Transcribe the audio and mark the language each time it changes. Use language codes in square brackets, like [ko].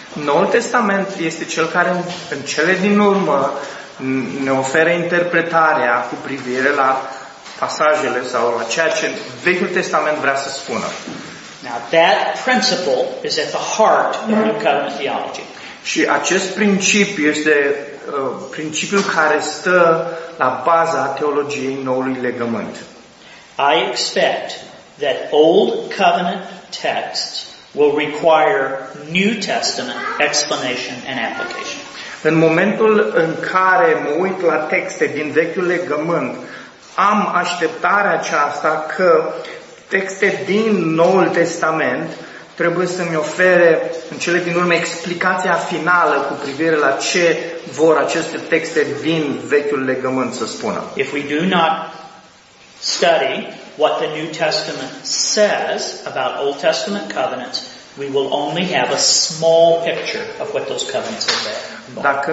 [ro] Noul Testament este cel care în cele din urmă ne oferă interpretarea cu privire la pasajele sau la ceea ce Vechiul Testament vrea să spună. [en] Now that principle is at the heart of New Covenant theology. [ro] Și acest principiu este principiul care stă la baza teologiei noului legământ. [en] I expect that Old Covenant texts will require New Testament explanation and application. [ro] În momentul în care mă uit la texte din Vechiul Legământ, am așteptarea aceasta că texte din Noul Testament trebuie să-mi ofere în cele din urmă explicația finală cu privire la ce vor aceste texte din Vechiul Legământ să spună. [en] If we do not study what the New Testament says about Old Testament covenants, we will only have a small picture of what those covenants are about.